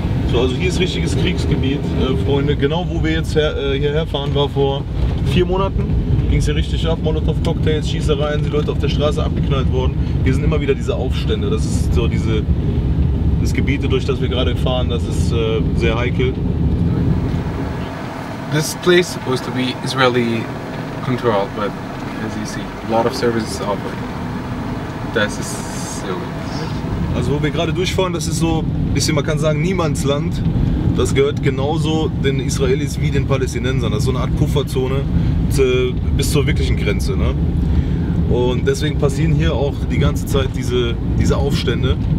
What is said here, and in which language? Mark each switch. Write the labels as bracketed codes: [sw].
[de] So, also hier ist richtiges Kriegsgebiet, Freunde, genau wo wir jetzt hierher fahren, war vor 4 Monaten, ging es hier richtig ab, Molotow-Cocktails, Schießereien, die Leute auf der Straße abgeknallt wurden. Hier sind immer wieder diese Aufstände, das ist so diese... Das Gebiet, durch das wir gerade fahren, das ist sehr heikel. [en] This place is supposed to be Israeli controlled, but as you see, a lot of services offered. [de] Das ist so. Also wo wir gerade durchfahren, das ist so ein bisschen, man kann sagen, Niemandsland. Das gehört genauso den Israelis wie den Palästinensern. Das ist so eine Art Pufferzone bis zur wirklichen Grenze. Ne? Und deswegen passieren hier auch die ganze Zeit diese Aufstände.